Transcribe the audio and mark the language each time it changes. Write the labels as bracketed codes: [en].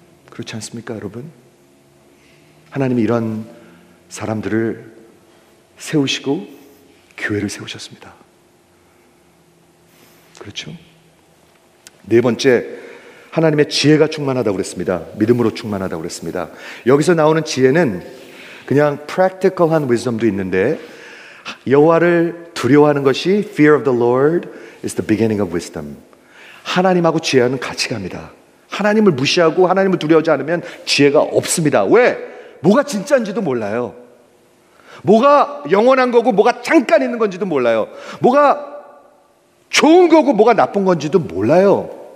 [ko] 그렇지 않습니까, 여러분? 하나님이 이런 사람들을 세우시고 교회를 세우셨습니다. 그렇죠? 네 번째, 하나님의 지혜가 충만하다고 그랬습니다. 믿음으로 충만하다고 그랬습니다. 여기서 나오는 지혜는 그냥 practical한 wisdom도 있는데 여호와를 두려워하는 것이 [en] fear of the Lord is the beginning of wisdom. [ko] 하나님하고 지혜는 같이 갑니다. 하나님을 무시하고 하나님을 두려워하지 않으면 지혜가 없습니다. 왜? 뭐가 진짜인지도 몰라요. 뭐가 영원한 거고 뭐가 잠깐 있는 건지도 몰라요. 뭐가 좋은 거고 뭐가 나쁜 건지도 몰라요.